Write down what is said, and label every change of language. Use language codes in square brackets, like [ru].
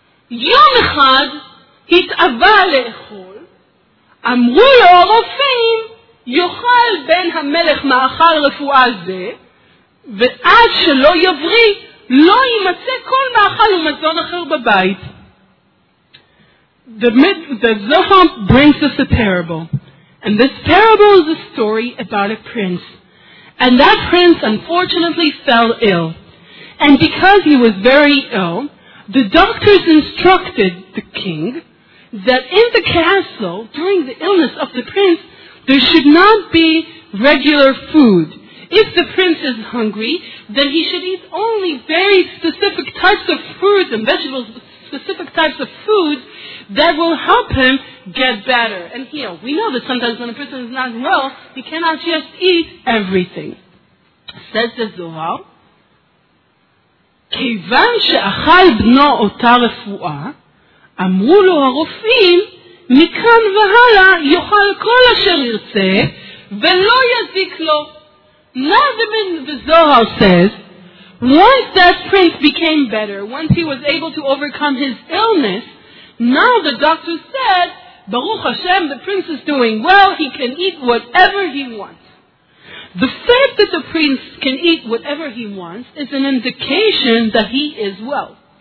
[he] יום אחד התאווה לאכול, אמרו לו הרופאים, יאכל בן המלך מאכל רפואה זה, ועד שלא יבריא, לא יימצא כל מאכל ומזון אחר בבית. [en] The Zohar brings us a parable. And this parable is a story about a prince. And that prince unfortunately fell ill. And because he was very ill, the doctors instructed the king that in the castle, during the illness of the prince, there should not be regular food. If the prince is hungry, then he should eat only very specific types of fruits and vegetables, specific types of food that will help him get better and heal. We know that sometimes when a person is not well, he cannot just eat everything. Says the Zohar, [he] כיוון שאכל בנו אותה רפואה, אמרו לו הרופאים, מכאן והלאה יאכל כל אשר ירצה, ולא יזיק לו. [en] Now the Zohar says, once that prince became better, once he was able to overcome his illness, now the doctor said, Baruch Hashem, the prince is doing well, he can eat whatever he wants. The fact that the prince can eat whatever he wants is an indication that he is well.